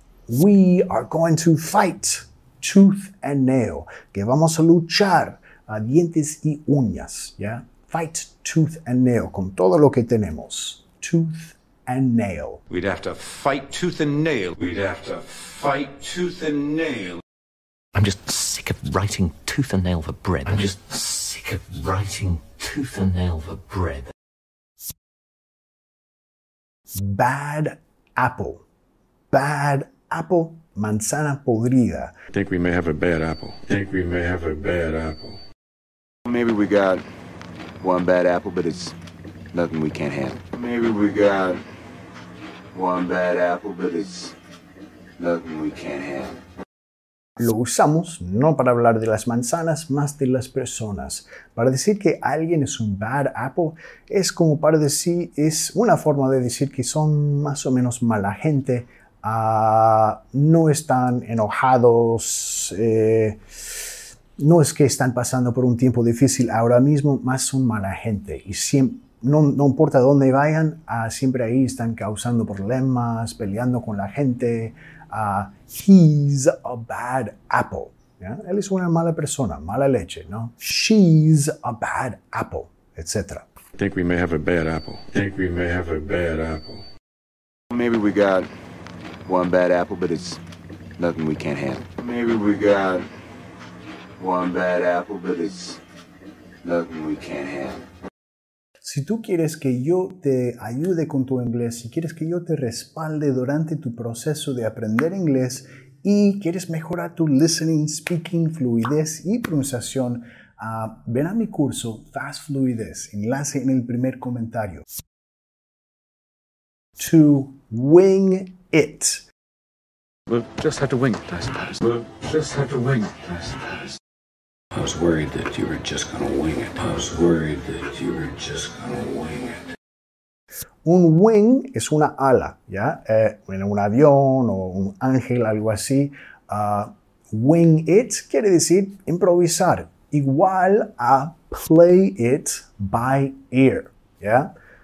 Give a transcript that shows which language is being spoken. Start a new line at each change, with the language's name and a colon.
English: We are going to fight tooth and nail.
Spanish: Que vamos a luchar a dientes y uñas, ¿ya?
English: Fight tooth and nail
Spanish: con todo lo que tenemos.
English: Tooth and nail. We'd have to fight tooth and nail. We'd have to fight tooth and nail. I'm just sick of writing tooth and nail for bread. I'm just sick of writing tooth and nail for bread. Bad apple. Bad apple.
Spanish: Manzana podrida.
English: Think we may have a bad apple. Think we may have a bad apple. Maybe we got one bad apple, but it's nothing we can't handle. Maybe we got one bad apple, but it's nothing we can't handle.
Spanish: Lo usamos no para hablar de las manzanas, más de las personas. Para decir que alguien es un bad apple es como para decir, es una forma de decir que son más o menos mala gente. No están enojados, no es que están pasando por un tiempo difícil ahora mismo, más son mala gente. Y no importa dónde vayan, siempre ahí están causando problemas, peleando con la gente.
English: He's a bad apple.
Spanish: ¿Ya? Él es una mala persona, mala leche, ¿no?
English: She's a bad apple, etc. Think we may have a bad apple. Think we may have a bad apple. Maybe we got one bad apple, but it's nothing we can't handle. Maybe we got one bad apple, but it's nothing we can't handle.
Spanish: Si tú quieres que yo te ayude con tu inglés, si quieres que yo te respalde durante tu proceso de aprender inglés y quieres mejorar tu listening, speaking, fluidez y pronunciación, ven a mi curso Fast Fluidez. Enlace en el primer comentario.
English: To wing it. We'll just have to wing it, I suppose. We'll just have to wing it, I suppose. I was worried that you were just gonna wing it. I was worried that you were just gonna wing it.
Spanish: Un wing es una ala, ¿ya? En un avión o un ángel, algo así. Wing it quiere decir improvisar, igual a
English: play it by ear,
Spanish: ¿ya?